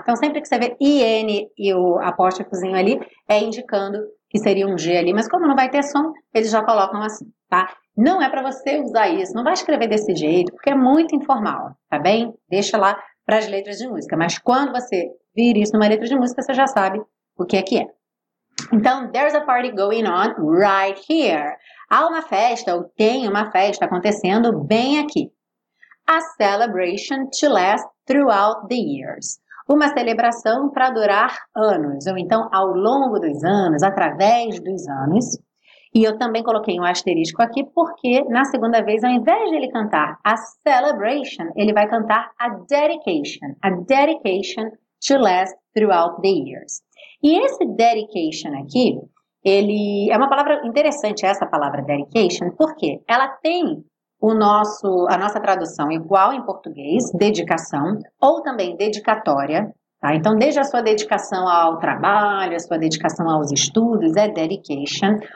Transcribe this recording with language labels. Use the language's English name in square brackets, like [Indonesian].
[Portuguese] Então sempre que você vê IN e o apóstrofozinho ali, é indicando que seria um G ali, mas como não vai ter som, eles já colocam assim, tá? Não é para você usar isso, não vai escrever desse jeito, porque é muito informal, tá bem? Deixa lá para as letras de música, mas quando você vir isso numa letra de música, você já sabe o que é que é. [English] Então, there's a party going on right here. [Portuguese] Há uma festa, ou tem uma festa acontecendo bem aqui. [English] A celebration to last throughout the years. [Portuguese] Uma celebração para durar anos, ou então ao longo dos anos, através dos anos. E eu também coloquei um asterisco aqui, porque na segunda vez, ao invés de ele cantar a celebration, ele vai cantar a dedication. [English] A dedication to last throughout the years. [Portuguese] E esse dedication aqui, ele é uma palavra interessante, essa palavra dedication, porque ela tem a nossa tradução igual em português, dedicação, ou também dedicatória, tá? Então, desde a sua dedicação ao trabalho, a sua dedicação aos estudos, é dedication.